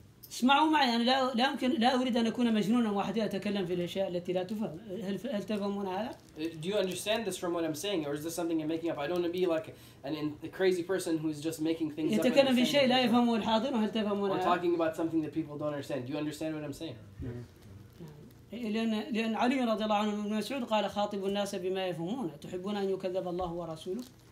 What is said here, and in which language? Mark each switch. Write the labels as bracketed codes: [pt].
[ar] اسمعوا معي, أنا لا يمكن, لا أريد أن أكون مجنونا واحد يتكلم في الأشياء التي لا تفهم. هل تفهمون هذا؟ [en] Do you understand this from what I'm saying, or is this something I'm making up? I don't want to be like a crazy person who is just making things up. [ar] يتكلم في شيء لا يفهمه الحاضر, وهل تفهمون؟ [en] We're talking about something that people don't understand. Do you understand what I'm saying? [ar] لأن علي رضي الله عنه ابن مسعود قال خاطب الناس بما يفهمون, تحبون أن يكذب الله ورسوله؟